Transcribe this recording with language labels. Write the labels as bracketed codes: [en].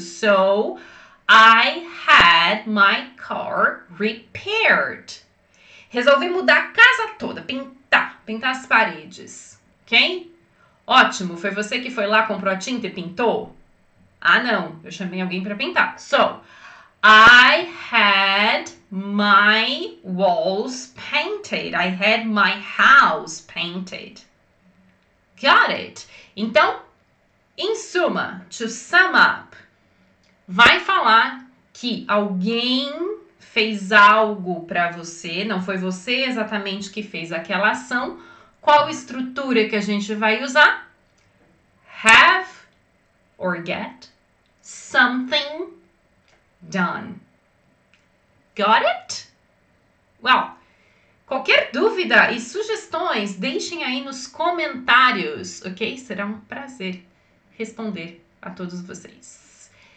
[en] So, I had my car repaired. [pt] Resolvi mudar a casa toda, pintar as paredes. Ok? Ótimo, foi você que foi lá, comprou a tinta e pintou? Ah, não, eu chamei alguém para pintar. [en] So, I had my walls painted. I had my house painted. Got it? [pt] Então, em suma, [en] to sum up, [pt] vai falar que alguém fez algo para você, não foi você exatamente que fez aquela ação. Qual estrutura que a gente vai usar? [en] Have or get something done. Got it? [pt] Well, qualquer dúvida e sugestões, deixem aí nos comentários, ok? Será um prazer responder a todos vocês.